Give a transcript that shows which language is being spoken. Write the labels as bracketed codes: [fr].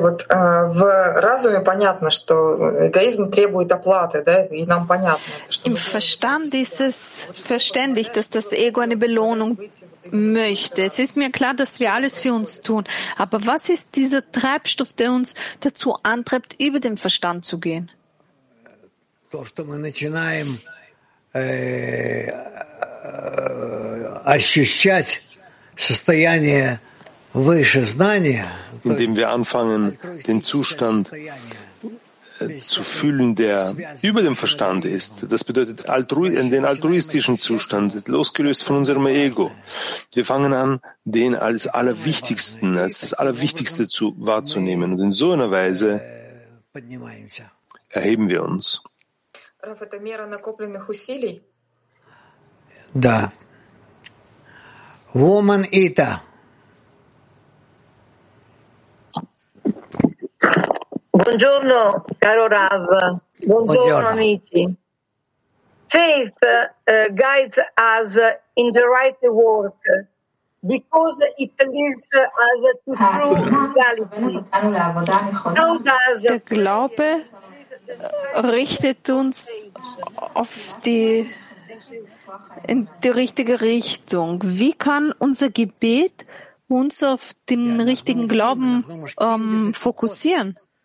[ru] Вот в разуме понятно, что эгоизм требует оплаты, да, и нам понятно. [de] Im Verstand ist es verständlich, dass das Ego eine Belohnung möchte. Es ist mir klar, dass wir alles für uns tun. Aber was ist dieser Treibstoff, der uns dazu antreibt, über den Verstand zu gehen? [ru] То, что мы начинаем ощущать состояние выше знания. [de] Indem wir anfangen, den Zustand zu fühlen, der über dem Verstand ist. Das bedeutet den altruistischen Zustand, losgelöst von unserem Ego. Wir fangen an, den als das Allerwichtigste wahrzunehmen. Und in so einer Weise erheben wir uns. [ru] Раф, это мера накопленных усилий? Да. Woman Ita. [it] Buongiorno, caro Rav. Buongiorno, amici. [en] Faith guides us in the right work because it leads us to true reality. How does [de] der Glaube richtet uns auf die richtige Richtung. Wie kann unser Gebet uns auf den richtigen Glauben fokussieren?